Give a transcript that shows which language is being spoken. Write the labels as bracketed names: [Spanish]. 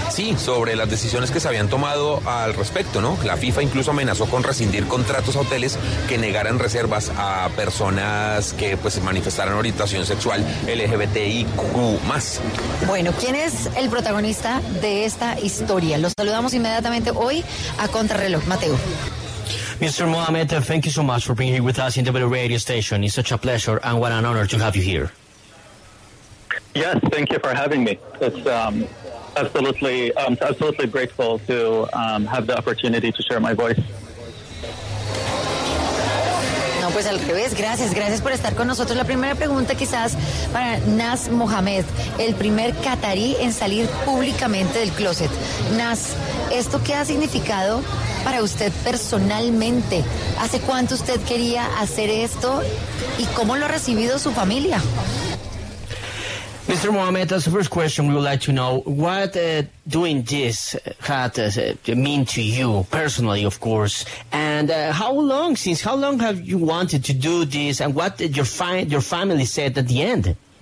[Spanish] Sí, sobre las decisiones que se habían tomado al respecto, ¿no? La FIFA incluso amenazó con rescindir contratos a hoteles que negaran reservas a personas que pues manifestaran orientación sexual LGBTIQ+. Bueno, ¿quién es el protagonista de esta historia? Lo saludamos inmediatamente hoy a Contrarreloj, Mateo. [English] Mr. Mohamed, thank you so much for being here with us in the radio station. It's such a pleasure and what an honor to have you here. Yes, thank you for having me. I'm absolutely grateful to have the opportunity to share my voice. [Spanish] No, pues al revés, gracias por estar con nosotros. La primera pregunta quizás para Naz Mohamed, el primer catarí en salir públicamente del closet. Naz, ¿esto qué ha significado para usted personalmente? ¿Hace cuánto usted quería hacer esto y cómo lo ha recibido su familia? [English] Mr. Mohamed, as the first question, we would like to know what doing this had mean to you personally, of course, and how long have you wanted to do this, and what did your family said at the end?